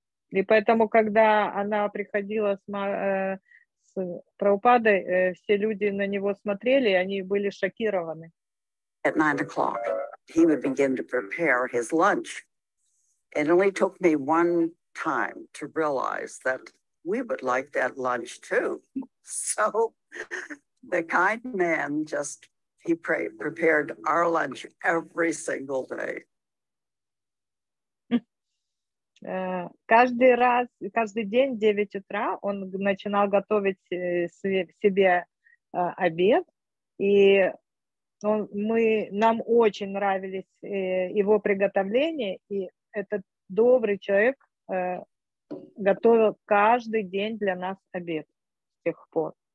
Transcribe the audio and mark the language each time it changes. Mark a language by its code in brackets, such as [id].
[ru] И поэтому, когда она приходила с Прабхупадой, все люди на него смотрели, и они были шокированы. [en] At 9 o'clock, he would begin to prepare his lunch. It only took me one time to realize that we would like that lunch too. So the kind man just, he prepared our lunch every single day. [ru] Каждый раз, каждый день в 9 утра он начинал готовить себе обед, и он, нам очень нравились его приготовления, и этот добрый человек готовил каждый день для нас обед с тех пор.